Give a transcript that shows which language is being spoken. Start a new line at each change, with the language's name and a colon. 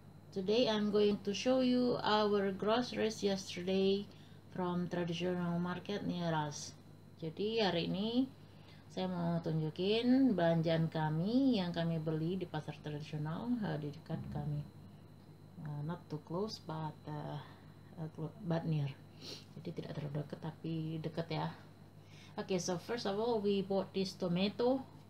English: Today I'm going to show you our groceries yesterday from traditional market near us.
Indonesian: Jadi hari ini saya mau tunjukin belanjaan kami yang kami beli di pasar tradisional di dekat kami.
English: Not too close but near.
Indonesian: Jadi tidak terlalu dekat tapi dekat ya.
English: Okay, so first of all we bought this tomato.